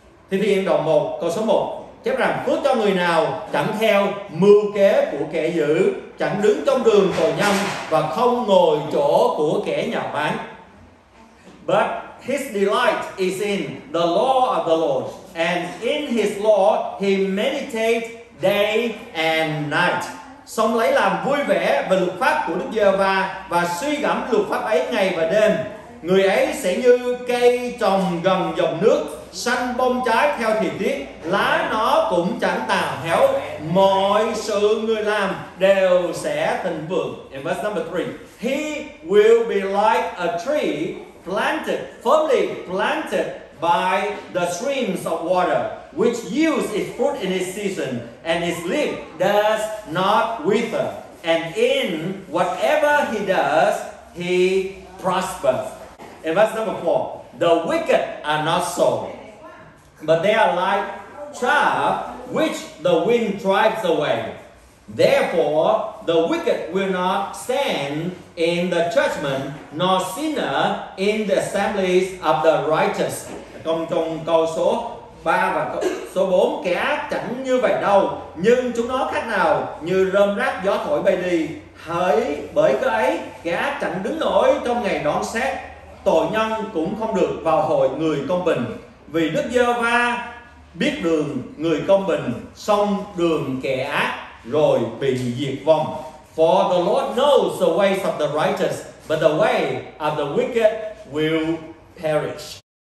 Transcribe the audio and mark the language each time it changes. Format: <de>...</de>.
<vi>Thi thiên đoạn 1, câu số 1, chép rằng, phước cho người nào chẳng theo mưu kế của kẻ dữ, chẳng đứng trong đường tội nhân và không ngồi chỗ của kẻ nhạo báng.</vi> <en>But his delight is in the law of the Lord, and in his law he meditates day and night.</en> <vi>Song lấy làm vui vẻ về luật pháp của Đức Giê-hô-va và suy gẫm luật pháp ấy ngày và đêm. Người ấy sẽ như cây trồng gần dòng nước, xanh bông trái theo thời tiết, lá nó cũng chẳng tàn héo, mọi sự người làm đều sẽ thịnh vượng.</vi> <en>In verse number 3, he will be like a tree planted, firmly planted by the streams of water, which yields its fruit in its season, and its leaf does not wither, and in whatever he does, he prospers. In verse number 4, the wicked are not so, but they are like chaff which the wind drives away. Therefore, the wicked will not stand in the judgment, nor sinner in the assemblies of the righteous.</en> <vi>Trong câu số 3 và số 4, kẻ ác chẳng như vậy đâu, nhưng chúng nó khác nào như rơm rác gió thổi bay đi. Hỡi bởi cái ấy, kẻ ác chẳng đứng nổi trong ngày đón xét, tội nhân cũng không được vào hội người công bình. Vì Đức Giê-hô-va biết đường người công bình, song đường kẻ ác rồi bị diệt vong.</vi> <en>For the Lord knows the ways of the righteous, but the way of the wicked will perish.</en>